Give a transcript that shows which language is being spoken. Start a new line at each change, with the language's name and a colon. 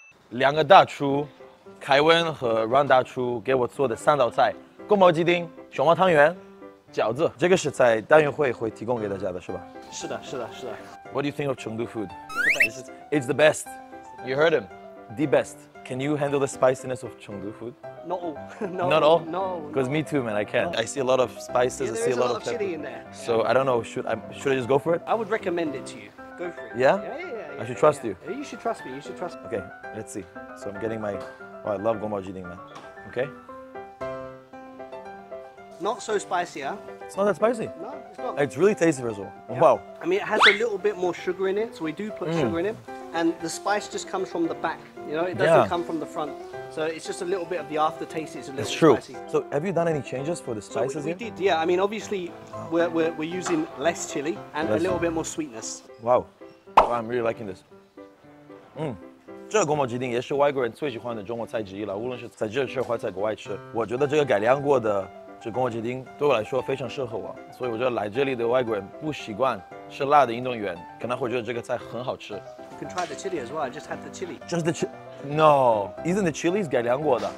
Chinese: 两个大厨，凯文和 Ron 大厨给我做的三道菜：宫保鸡丁、熊猫汤圆、饺子。这个是在大运会会提供给大家的，是吧？是的，是的，是的。
English: What do you think of Chengdu food? It's the best. You heard him, the best. Can you handle the spiciness of Chengdu food? Not all. Because me too, man. I can't. I see a lot of spices. Yeah, I see a lot of pepper. Chili in there. So I don't know. Should I just go for it? I would recommend it to you. Go for it. Yeah. Yeah, I should trust you. You should trust me. Okay, let's see. So I'm getting my. Oh, I love gombao jiding, man. Okay. Not so spicy, huh? It's not that spicy. No, it's not. It's really tasty as well. Yeah. Wow. I mean, it has a little bit more sugar in it, so we do put sugar in it, and the spice just comes from the back. You know, it doesn't come from the front. So it's just a little bit of the aftertaste. It's a little spicy. That's true. So have you done any changes for the spices here? We did. Yeah. I mean, obviously, we're using less chili and a little bit more sweetness. Wow. Oh, I'm really liking this.
Chinese: 这个宫保鸡丁也是外国人最喜欢的中国菜之一了，无论是在这吃或在国外吃，我觉得这个改良过的这宫保鸡丁对我来说非常适合我，所以我觉得来这里的外国人不习惯吃辣的运动员可能会觉得这个菜很好吃。
English: You can try the chili as well. I just had the chili. Just the chili? No. Isn't the chili is
Chinese: 改良过的？